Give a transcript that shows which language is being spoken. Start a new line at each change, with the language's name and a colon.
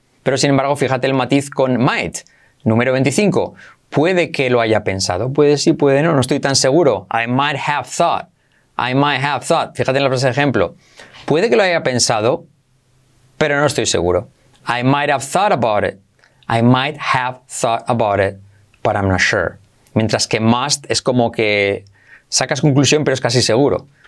Spanish: Pero sin embargo, fíjate el matiz con might. Número 25. Puede que lo haya pensado. Puede sí, puede no. No estoy tan seguro.
English: I might have thought. I might have thought.
Spanish: Fíjate en la frase de ejemplo. Puede que lo haya pensado, pero no estoy seguro.
English: I might have thought about it. I might have thought about it, but I'm not sure.
Spanish: Mientras que must es como que sacas conclusión, pero es casi seguro.